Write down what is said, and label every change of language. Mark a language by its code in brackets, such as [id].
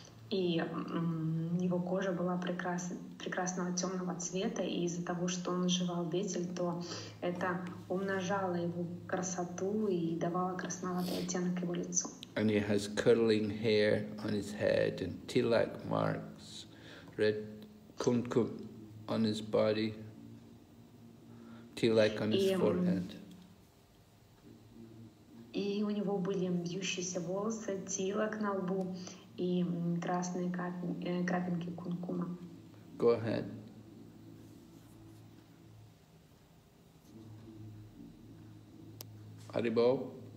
[ru] И его кожа была прекрасного темного цвета, и из-за того, что он жевал ветель, то это умножало его красоту и давало красноватый оттенок его лицу. [en] And he has curling hair on his head and tilak marks, red kumkum on his body, tilak on his forehead. [ru] И у него были вьющиеся волосы, тилак на лбу. И красные крапинки кункума. [en] Go ahead. Aribo?